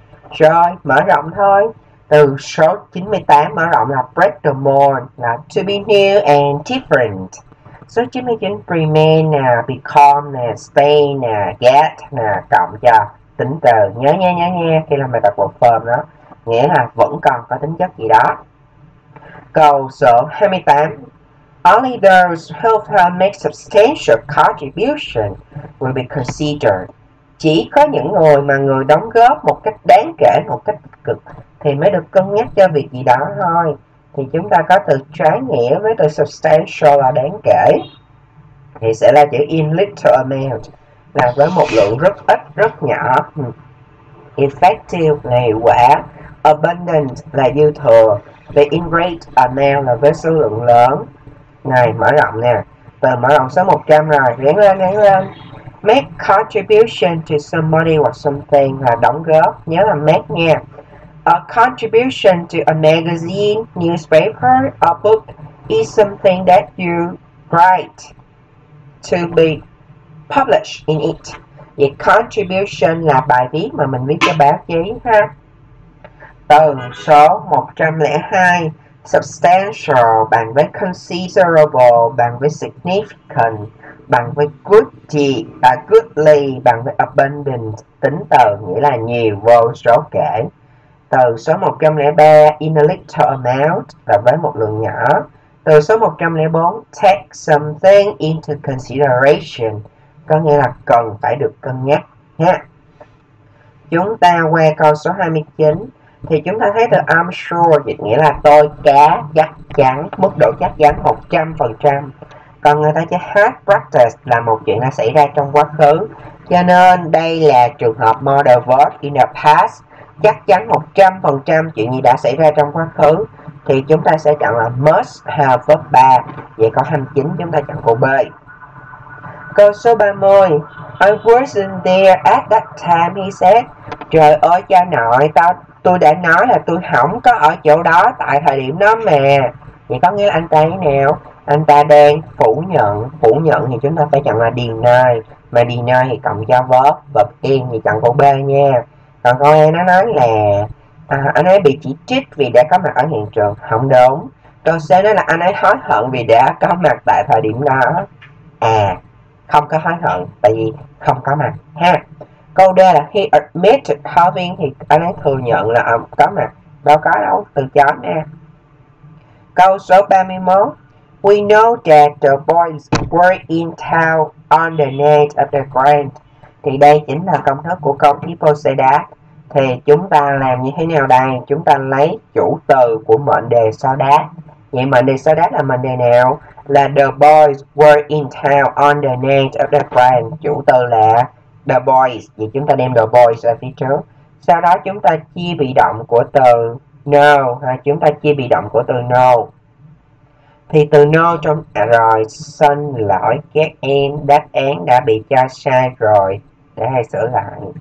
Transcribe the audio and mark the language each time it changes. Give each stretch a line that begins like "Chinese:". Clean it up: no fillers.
Vietnamese: Rồi mở rộng thôi. Từ số 98 mở rộng là
English: break the mold,
Vietnamese: là
English: to be new and different.
Vietnamese: Số 99 remain nè, become nè, stay nè, get nè, cộng cho tính từ, nhớ nha, khi làm bài tập của firm đó, nghĩa là vẫn còn có tính chất gì đó. Câu số 28,
English: only those who have made substantial contribution will be considered.
Vietnamese: Chỉ có những người mà người đóng góp một cách đáng kể, một cách cực thì mới được cân nhắc cho việc gì đó thôi. Thì chúng ta có từ trái nghĩa với từ substantial là đáng kể, thì sẽ là chữ
English: in little amount,
Vietnamese: là với một lượng rất ít, rất nhỏ. Effective là hiệu quả, abundant là dư thừa, và
English: in great amount
Vietnamese: là với số lượng lớn. Này mở rộng nè, từ mở rộng số 100 rồi, ráng lên ráng lên.
English: Make contribution to somebody or something
Vietnamese: là đóng góp, nhớ là make nha.
English: A contribution to a magazine, newspaper, a book is something that you write to be published in it.
Vietnamese: Vậy contribution là bài viết mà mình viết cho báo chí ha. Từ số 102, substantial bằng với considerable, bằng với significant, bằng với goodly, bằng với abundant, tính từ nghĩa là nhiều, vô số kể. Từ số 103,
English: in a little amount,
Vietnamese: là với một lượng nhỏ. Từ số 104,
English: take something into consideration,
Vietnamese: có nghĩa là cần phải được cân nhắc nha. Chúng ta qua câu số 29, thì chúng ta thấy từ
English: I'm sure
Vietnamese: dịch nghĩa là tôi cá chắc chắn, mức độ chắc chắn 100%. Còn người ta chỉ have practice là một chuyện đã xảy ra trong quá khứ. Cho nên đây là trường hợp
English: modal verb in the past,
Vietnamese: chắc chắn 100% chuyện gì đã xảy ra trong quá khứ, thì chúng ta sẽ chọn là
English: must have verb 3.
Vietnamese: Vậy câu 29 chúng ta chọn câu B. Câu số 30,
English: I wasn't there at that time, he said.
Vietnamese: Trời ơi cha nội, tôi đã nói là tôi không có ở chỗ đó tại thời điểm đó mà. Vậy có nghĩa là anh ta thế nào? Anh ta đang phủ nhận. Phủ nhận thì chúng ta phải chọn là deny, mà deny thì cộng cho verb, verb in thì chọn câu B nha. Còn câu A nó nói là anh ấy bị chỉ trích vì đã có mặt ở hiện trường. Không đúng. Câu C nói là anh ấy hối hận vì đã có mặt tại thời điểm đó. À, không có hối hận tại vì không có mặt ha. Câu D là
English: he admitted having,
Vietnamese: thì anh ấy thừa nhận là có mặt. Đâu có đâu, từ chối nè. Câu số 31,
English: we know that the boys were in town on the night of the grand.
Vietnamese: Thì đây chính là công thức của câu
English: people say that.
Vietnamese: Thì chúng ta làm như thế nào đây? Chúng ta lấy chủ từ của mệnh đề sau đáp. Vậy mệnh đề sau đáp là mệnh đề nào? Là
English: the boys were in town on the night of the grand.
Vietnamese: Chủ từ là
English: the boys.
Vietnamese: Vậy chúng ta đem
English: the boys
Vietnamese: ở phía trước. Sau đó chúng ta chia bị động của từ no. Hay chúng ta chia bị động của từ no. Thì từ no trong à rồi, xin lỗi các em, đáp án đã bị cho sai rồi, để hãy sửa lại.